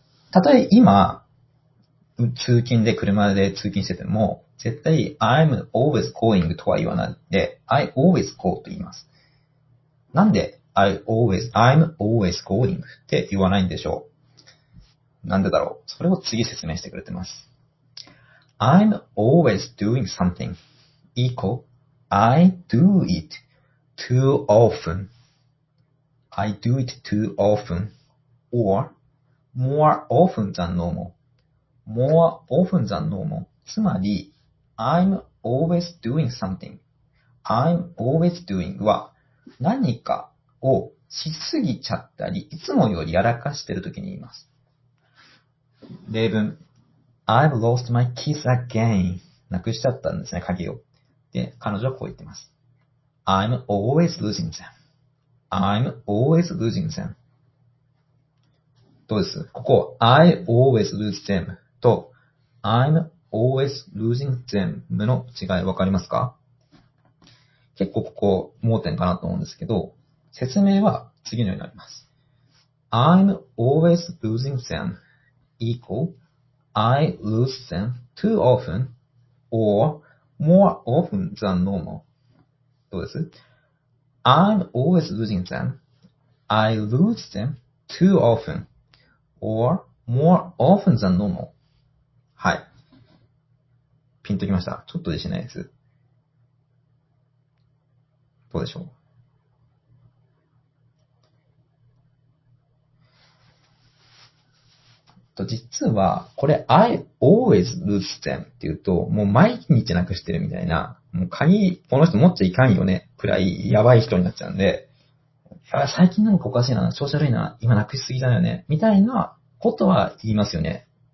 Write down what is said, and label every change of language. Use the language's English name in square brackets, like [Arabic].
[Japanese] たとえ今、通勤で車で通勤してても、絶対、 [English] I'm always calling [Japanese] とは言わないで、 [English] I always call [Japanese] と言います。なんで、 [English] I'm always calling [Japanese] って言わないんでしょう。なんでだろう。それを次説明してくれてます。 [English] I'm always doing something equal I do it too often. I do it too often or more often than normal. More often than normal. [Japanese] つまり、 [English] I'm always doing something. I'm always doing [Japanese] は何かをしすぎちゃったり、いつもよりやらかしてるときに言います。例文。 [English] I've lost my keys again. [Japanese] なくしちゃったんですね、鍵を。で、彼女はこう言ってます。 [English] I'm always losing them. I'm always losing them. [Japanese] どうです？ここ、 [English] I always lose them [Japanese] と、 [English] I'm always losing them [Japanese] の違いわかりますか？結構ここ、盲点かなと思うんですけど、説明は次のようになります。 [English] I'm always losing them equal I lose them too often or more often than normal. [Japanese] どうです？ [English] I'm always losing them. I lose them too often or more often than normal. [Japanese] はい。ピンときました。ちょっと自信ないです。どうでしょう？実は、これ、 [English] I always lose them [Japanese] っていうと、もう毎日なくしてるみたいな、もう鍵、この人持っちゃいかんよね、くらいやばい人になっちゃうんで、最近なんかおかしいな、調子悪いな、今なくしすぎだよね、みたいなことは言いますよね。